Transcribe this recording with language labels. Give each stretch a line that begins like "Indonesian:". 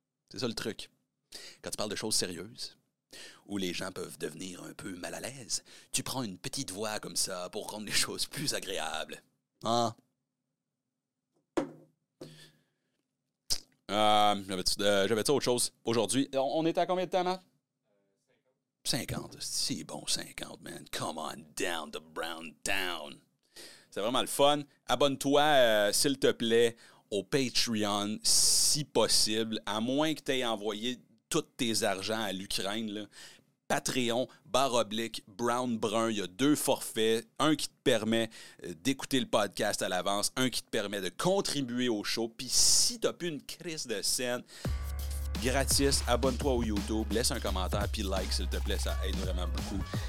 French: C'est ça le truc. Quand tu parles de choses sérieuses, où les gens peuvent devenir un peu mal à l'aise, tu prends une petite voix comme ça pour rendre les choses plus agréables. Hein? J'avais-tu autre chose aujourd'hui? On était à combien de temps, Matt? 50. Si bon, 50, man.
English: Come on down the brown town.
French: C'est vraiment le fun. Abonne-toi, s'il te plaît, au Patreon, si possible, à moins que tu aies envoyé tous tes argents à l'Ukraine, là. Patreon, / Brown Brun, il y a deux forfaits, un qui te permet d'écouter le podcast à l'avance, un qui te permet de contribuer au show, puis si t'as plus une crise de scène, gratis, abonne-toi au YouTube, laisse un commentaire, puis like s'il te plaît, ça aide vraiment beaucoup.